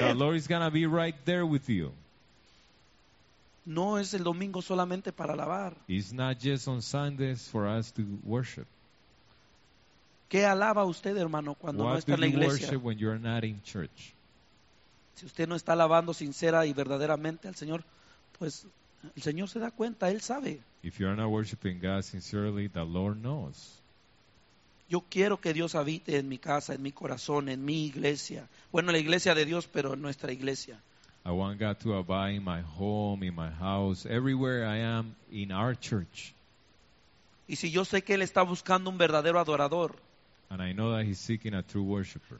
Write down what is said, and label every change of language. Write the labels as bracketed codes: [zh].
[en] The Lord is going to be right there with you. [es] No es el domingo solamente para alabar. [en] It's not just on Sundays for us to worship. [es] ¿Qué alaba usted, hermano, cuando no está en la iglesia? [en] What do you worship when you're not in church? [es] Si usted no está alabando sincera y verdaderamente al Señor, pues el Señor se da cuenta, Él sabe. [en] If you're not worshiping God sincerely, the Lord knows. [es] Yo quiero que Dios habite en mi casa, en mi corazón, en mi iglesia. Bueno, la iglesia de Dios, pero en nuestra iglesia. [en] I want God to abide in my home, in my house, everywhere I am, in our church. [es] Y si yo sé que Él está buscando un verdadero adorador. [en] And I know that He's seeking a true worshiper.